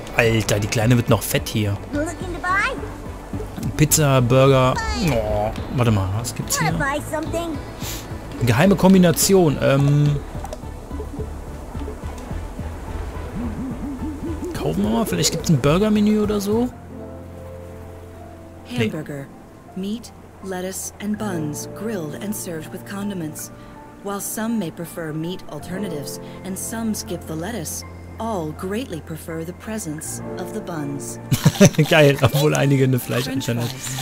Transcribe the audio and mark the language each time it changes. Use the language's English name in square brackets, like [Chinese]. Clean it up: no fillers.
[German] Alter, die Kleine wird noch fett hier. Pizza, Burger. Oh, warte mal, was gibt's hier? Geheime Kombination. Kaufen wir mal, vielleicht gibt es ein Burger-Menü oder so. [English] Hamburger, Meat, Lettuce and Buns, grilled and served with condiments. While some may prefer meat alternatives and some skip the lettuce, all greatly prefer the presence of the buns. [German] Geil, obwohl einige eine Fleischalternative.